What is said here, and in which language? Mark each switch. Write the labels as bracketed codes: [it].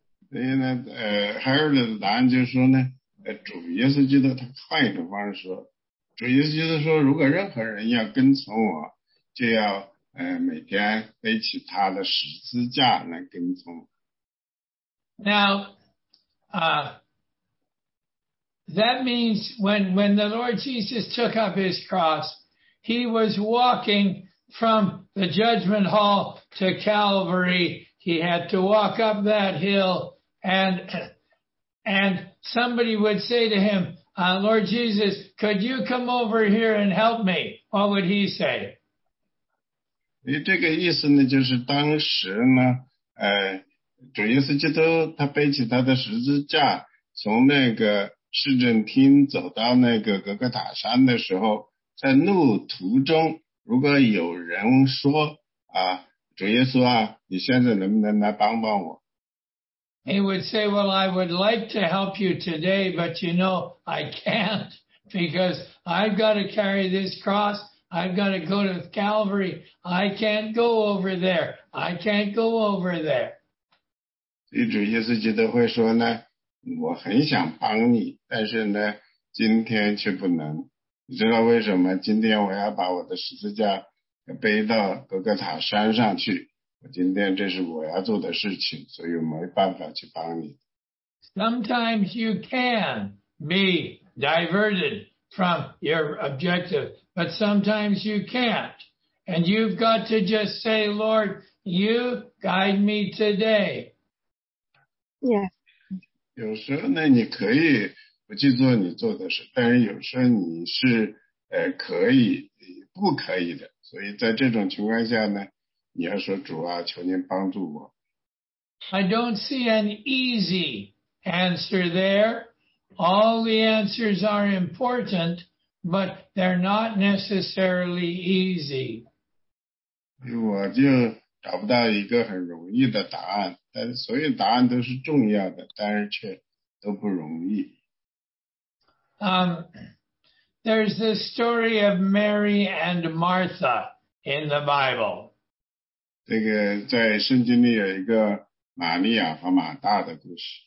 [zh] 所以呢，Harold 的答案就是说呢，主耶稣基督他换一种方式说，主耶稣基督说，如果任何人要跟从我，就要每天背起他的十字架来跟从。 [en] Now, that means when the Lord Jesus took up his cross, he was walking from the judgment hall to Calvary. He had to walk up that hill, and somebody would say to him, Lord Jesus, could you come over here and help me? What would he say? [zh] 这个意思呢，就是当时呢，主耶稣基督他背起他的十字架，从那个市政厅走到那个格格塔山的时候，在路途中，如果有人说啊，主耶稣啊，你现在能不能来帮帮我 [en] ？He would say, "Well, I would like to help you today, but you know, I can't because I've got to carry this cross. I've got to go to Calvary. I can't go over there. I can't go over there." [zh] 所以主耶稣基督会说呢，我很想帮你，但是呢，今天却不能。你知道为什么今天我要把我的十字架背到格格塔山上去？我今天这是我要做的事情，所以没办法去帮你。 [en] Sometimes you can be diverted from your objective, but sometimes you can't. And you've got to just say, Lord, you guide me today. Yes. [zh] 有时候呢，你可以不去做你做的事，但是有时候你是可以不可以的。所以在这种情况下呢，你要说主啊，求您帮助我。 [en] I don't see an easy answer there. All the answers are important, but they're not necessarily easy. [zh] 我就找不到一个很容易的答案，但所有答案都是重要的，但是却都不容易。 [en] There's the story of Mary and Martha in the Bible. [zh] 这个在圣经里有一个玛利亚和马大的故事。